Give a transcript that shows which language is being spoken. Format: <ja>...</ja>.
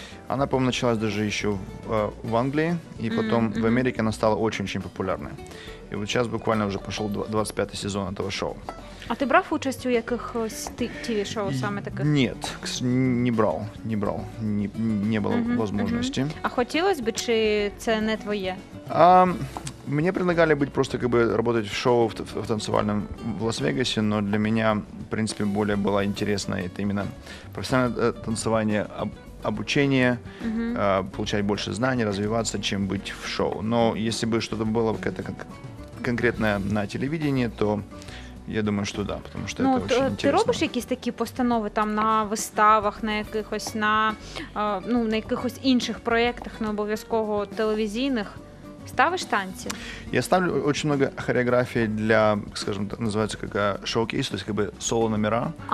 <ru>Она, по-моему, началась даже еще в Англии, и потом в Америке она стала очень-очень популярной. И вот сейчас буквально уже пошел 25-й сезон этого шоу. А ты брал участь у каких-то ТВ-шоу самых таких? Нет, не брал, не брал, не было возможности. А хотелось бы,</ru> <uk>чи це не твоє?</uk> <ru>Мне предлагали быть просто как бы работать в шоу в танцевальном в Лас-Вегасе, но для меня, в принципе, более было интересно это именно профессиональное танцевание, обучение, получать больше знаний, развиваться, чем быть в шоу. Но если бы что-то было какое-то конкретное на телевидении, то я думаю, что да, потому что это очень интересно.</ru> <uk>Ты робиш якісь такі постанови там на виставах, на якихось, на якихось інших проєктах, не обов'язково телевізійних? Ставиш танці? Я ставлю дуже багато хореографій для, скажімо так, називається як шоу-кейс, тобто якби соло-номера.</uk>